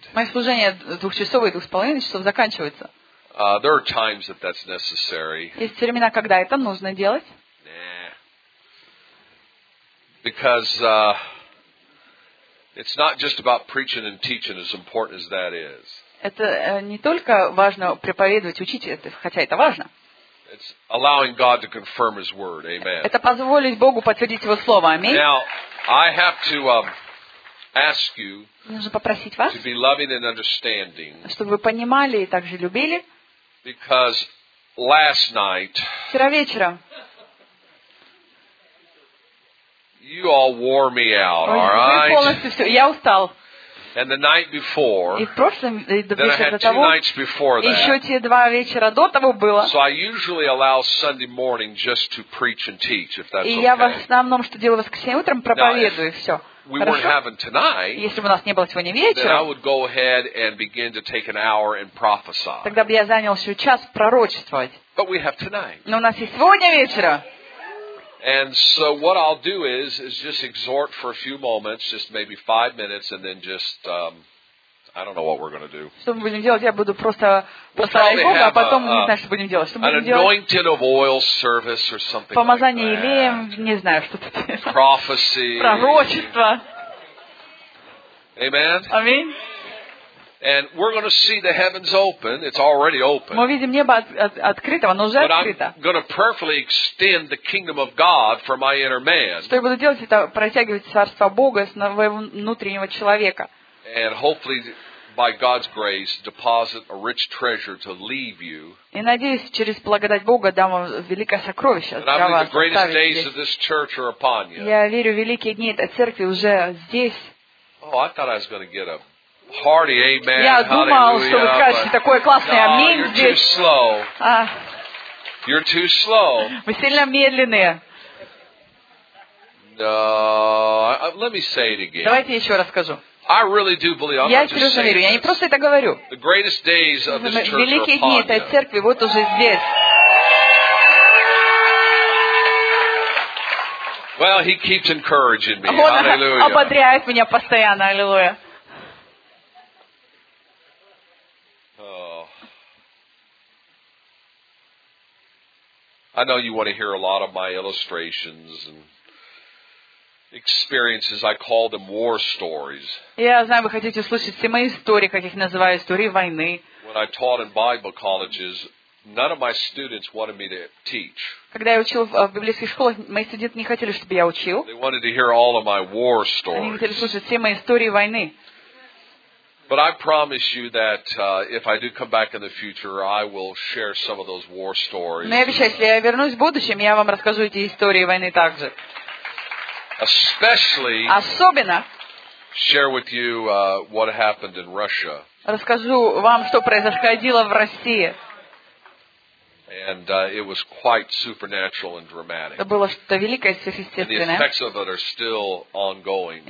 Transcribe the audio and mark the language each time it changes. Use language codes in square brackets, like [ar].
[ru] Мои служения двухчасовые, двух с половиной часов заканчиваются. [en] There are times that that's necessary. [ru] Есть времена, когда это нужно делать. [en] Because it's not just about preaching and teaching, as important as that is. [ru] Это не только важно проповедовать, учить это, хотя это важно. [en] It's allowing God to confirm His word. Amen. [ru] Это позволить Богу подтвердить Его слово. Аминь. [en] Now I have to ask you to be loving and understanding. [ru] Чтобы вы понимали и также любили. [en] Because last night. [ru] Вчера вечером. [en] You all wore me out, all right? [ru] Я устал. [en] And the night before. [ru] И прошлым вечером до того. Еще те два вечера до того было. [en] So I usually allow Sunday morning just to preach and teach, if that's okay. [ru] И я в основном, что делаю воскресенье утром, проповедую, все. [en] We weren't having tonight. [ru] Если бы у нас не было сегодня вечером. [en] Then I would go ahead and begin to take an hour and prophesy. [ru] Тогда бы я занял еще час пророчествовать. [en] But we have tonight. [ru] Но у нас есть сегодня вечером. [en] And so what I'll do is just exhort for a few moments, just maybe 5 minutes, and then just I don't know what we're going to do. [ru] Что мы будем делать? Я буду просто прославлять Бога, а потом не знаю, что будем делать. [en] An anointing of oil service or something. [ru] Помазание елеем, не знаю, что тут. [en] Prophecy. [ru] Пророчество. [en] Amen. Amen. And we're going to see the heavens open. It's already open. [ru] Мы видим небо открытого, но уже открыто. [en] I'm going to prayerfully extend the kingdom of God for my inner man. [ru] Что я буду делать, это протягивать царство Бога с моего внутреннего человека. [en] And hopefully, by God's grace, deposit a rich treasure to leave you. [ru] И надеюсь, через благодать Бога дам вам великое сокровище. [en] And I believe the greatest days of this church are upon you. [ru] Я верю, великие дни этой церкви уже здесь. [en] Oh, I thought I was going to get a hearty amen. [ru] Я думал, что вы скажете такой классный аминь здесь. [en] You're too slow. You're too slow. [ru] Вы сильно медленные. [en] No, let me say it again. [ru] Давайте еще раз скажу. [en] I really do believe. [ru] Я серьезно верю. Я не просто это говорю. [en] The greatest days of this church. [ru] Великие дни этой церкви вот уже здесь. [en] Well, he keeps encouraging me. Hallelujah. [ru] Ободряет меня постоянно. Аллилуйя. [en] I know you want to hear a lot of my illustrations and experiences. I call them war stories. [ru] Я знаю, вы хотите услышать все мои истории, как их называю, истории войны. [en] When I taught in Bible colleges, none of my students wanted me to teach. [ru] Когда я учил в библейских школах, мои студенты не хотели, чтобы я учил. [en] They wanted to hear all of my war stories. [ru] Они хотели слушать все мои истории войны. [en] But I promise you that if I do come back in the future, I will share some of those war stories. [ru] Но я обещаю, если я вернусь в будущем, я вам расскажу эти истории войны также. [en] Especially. [ru] Особенно. [en] Share with you what happened in Russia. [ru] Расскажу вам, что происходило в России. [en] And it was quite supernatural and dramatic. [ru] Это было что-то великое, сверхъестественное. [en] And the effects of it are still ongoing.